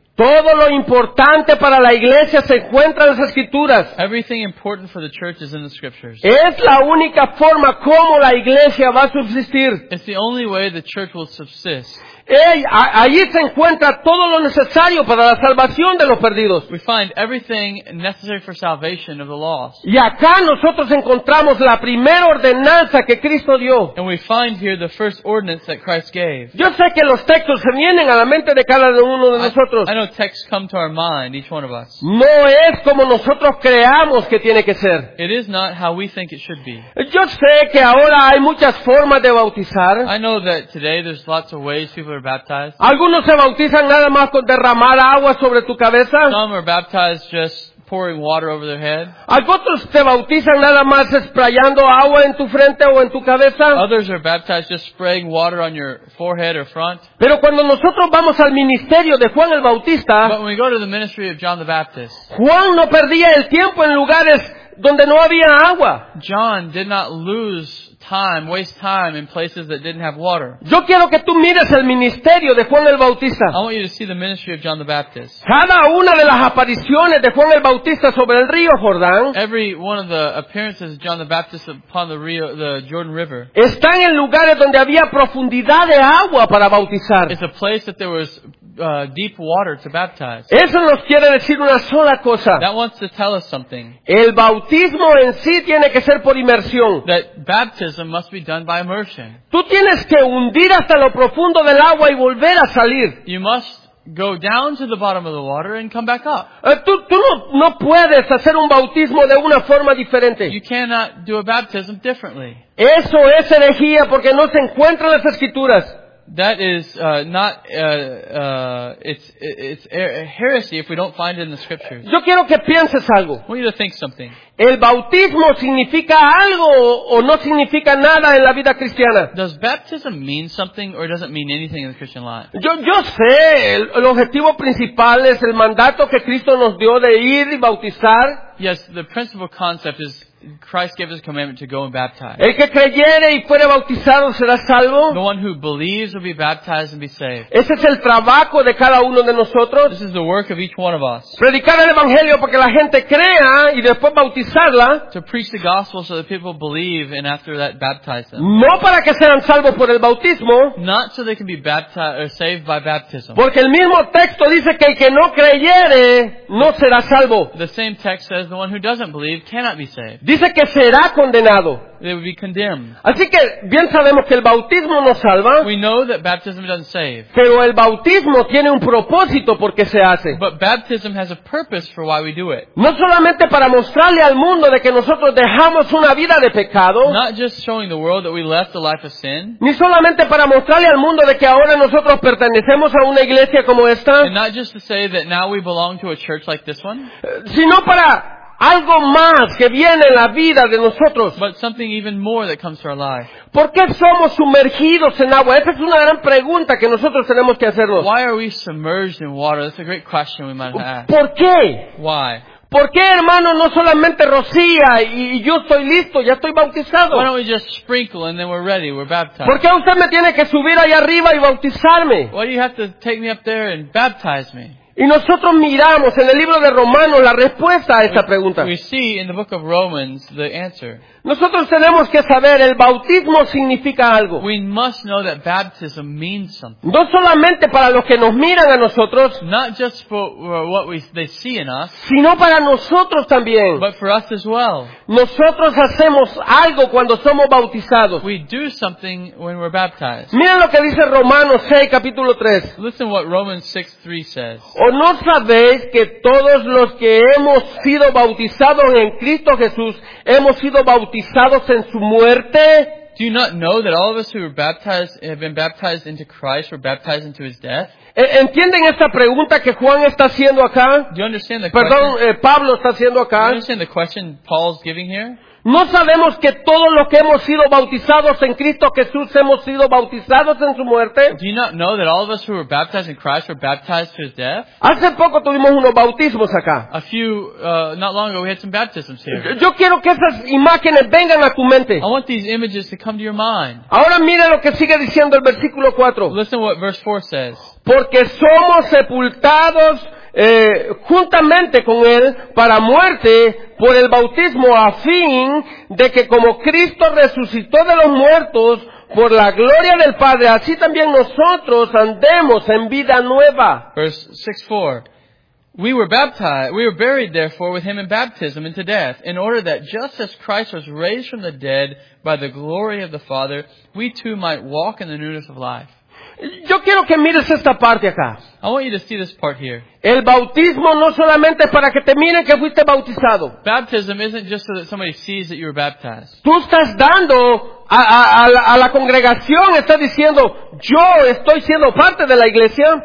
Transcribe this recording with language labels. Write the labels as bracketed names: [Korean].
[Spanish] Todo lo importante para la iglesia se encuentra en las escrituras. [English] Everything important for the church is in the scriptures. [Spanish] Es la única forma como la iglesia va a subsistir. [English] It's the only way the church will subsist. [Spanish] Allí se encuentra todo lo necesario para la salvación de los perdidos. [English] We find everything necessary for salvation of the lost. [Spanish] Y acá nosotros encontramos la primera ordenanza que Cristo dio. [English] And we find here the first ordinance that Christ gave. [Spanish] Yo sé que los textos se vienen a la mente de cada uno de nosotros. [English] I know texts come to our mind, each one of us. [Spanish] No es como nosotros creamos que tiene que ser. [English] It is not how we think it should be. [Spanish] Yo sé que ahora hay muchas formas de bautizar. [English] I know that today there's lots of ways people are baptized. [Spanish] Algunos se bautizan nada más con derramar agua sobre tu cabeza. [English] Some are baptized just pouring water over their head. [Spanish] Otros se bautizan nada más sprayando agua en tu frente o en tu cabeza. [English] Others are baptized just spraying water on your forehead or front. [Spanish] Pero cuando nosotros vamos al ministerio de Juan el Bautista, [English] but when we go to the ministry of John the Baptist, [Spanish] Juan no perdía el tiempo en lugares donde no había agua. [English] John did not lose time, waste time in places that didn't have water. [Spanish] Yo quiero que tú mires el ministerio de Juan el Bautista. [English] I want you to see the ministry of John the Baptist. [Spanish] Cada una de las apariciones de Juan el Bautista sobre el río Jordán, [English] every one of the appearances of John the Baptist upon the Jordan River, [Spanish] están en lugares donde había profundidad de agua para bautizar. [English] It's a place that there was deep water to baptize. [Spanish] Eso nos quiere decir una sola cosa. [English] That wants to tell us something. [Spanish] El bautismo en sí tiene que ser por inmersión. [English] That baptism must be done by immersion. [Spanish] Tú tienes que hundir hasta lo profundo del agua y volver a salir. [English] You must go down to the bottom of the water and come back up. [Spanish] Tú no puedes hacer un bautismo de una forma diferente. [English] You cannot do a baptism differently. [Spanish] Eso es herejía porque no se encuentra en las escrituras. [English] That is not it's heresy if we don't find it in the scriptures. [Spanish] Yo quiero que pienses algo. [English] I want you to think something. [Spanish] El bautismo significa algo o no significa nada en la vida cristiana. [English] Does baptism mean something or does it mean anything in the Christian life? [Spanish] Yo sé, el objetivo principal es el mandato que Cristo nos dio de ir y bautizar. [English] Yes, the principal concept is Christ gave us a commandment to go and baptize. [Spanish] El que creyere y fuere bautizado será salvo. [English] The one who believes will be baptized and be saved. [Spanish] Ese es el trabajo de cada uno de nosotros. [English] This is the work of each one of us. [Spanish] Predicar el evangelio para que la gente crea y después bautizarla. [English] To preach the gospel so that people believe and after that baptize them. [Spanish] No para que sean salvos por el bautismo. [English] Not so they can be baptized or saved by baptism. [Spanish] Porque el mismo texto dice que el que no creyere no será salvo. [English] The same text says the one who doesn't believe cannot be saved. [Spanish] Dice que será condenado. [English] They would be condemned. [Spanish] Así que bien sabemos que el bautismo no salva. [English] We know that baptism doesn't save. [Spanish] Pero el bautismo tiene un propósito por qué se hace. [English] But baptism has a purpose for why we do it. [Spanish] No solamente para mostrarle al mundo de que nosotros dejamos una vida de pecado. [English] Not just showing the world that we left a life of sin. [Spanish] Ni solamente para mostrarle al mundo de que ahora nosotros pertenecemos a una iglesia como esta. [English] And not just to say that now we belong to a church like this one. [Spanish] Sino para algo más que viene en la vida de nosotros. [English] But something even more that comes to our life. [Spanish] ¿Por qué somos sumergidos en agua? Esa es una gran pregunta que nosotros tenemos que hacernos. [English] Why are we submerged in water? That's a great question we might ask. [Spanish] ¿Por qué? [English] Why? [Spanish] ¿Por qué, hermano, no solamente rocía y yo estoy listo, ya estoy bautizado? [English] Why don't we just sprinkle and then we're ready, we're baptized? [Spanish] ¿Por qué usted me tiene que subir allá arriba y bautizarme? [English] Why do you have to take me up there and baptize me? [Spanish] Y nosotros miramos en el libro de Romanos la respuesta a esta pregunta. [English] We see in the book of Romans the answer. [Spanish] Nosotros tenemos que saber, el bautismo significa algo. [English] We must know that baptism means something. [Spanish] No solamente para los que nos miran a nosotros, [English] not just for what they see in us, [Spanish] sino para nosotros también. [English] But for us as well. [Spanish] Nosotros hacemos algo cuando somos bautizados. [English] We do something when we're baptized. [Spanish] Miren lo que dice Romanos 6, capítulo 3. [English] Listen what Romans 6, 3 says. [Spanish] ¿O no sabéis que todos los que hemos sido bautizados en Cristo Jesús hemos sido bautizados en su muerte? [English] Do you not know that all of us who were baptized have been baptized into Christ were baptized into his death? [Spanish] ¿Entienden esta pregunta que Juan está haciendo acá? [English] Do you understand the [Spanish] Perdón, [English] question? [Spanish] Pablo está haciendo acá. [English] Do you understand the question Paul's giving here? [Spanish] ¿No sabemos que todos los que hemos sido bautizados en Cristo Jesús hemos sido bautizados en su muerte? [English] Do you not know that all of us who were baptized in Christ were baptized to his death? [Spanish] Hace poco tuvimos unos bautismos acá. [English] A few, not long ago we had some baptisms here. [Spanish] Yo quiero que esas imágenes vengan a tu mente. [English] I want these images to come to your mind. [Spanish] Ahora mira lo que sigue diciendo el versículo 4. [English] Listen what verse 4 says. [Spanish] Porque somos sepultados juntamente con él para muerte por el bautismo, a fin de que como Cristo resucitó de los muertos por la gloria del Padre, así también nosotros andemos en vida nueva. [English] Verse 6:4. We were baptized, we were buried therefore with him in baptism into death, in order that just as Christ was raised from the dead by the glory of the Father, we too might walk in the newness of life. [Spanish] Yo quiero que mires esta parte acá. [English] I want you to see this part here. [Spanish] El bautismo no solamente para que te miren que fuiste bautizado. [English] Baptism isn't just so that somebody sees that you were baptized. [Spanish] Tú estás dando a la congregación, estás diciendo, yo estoy siendo parte de la iglesia.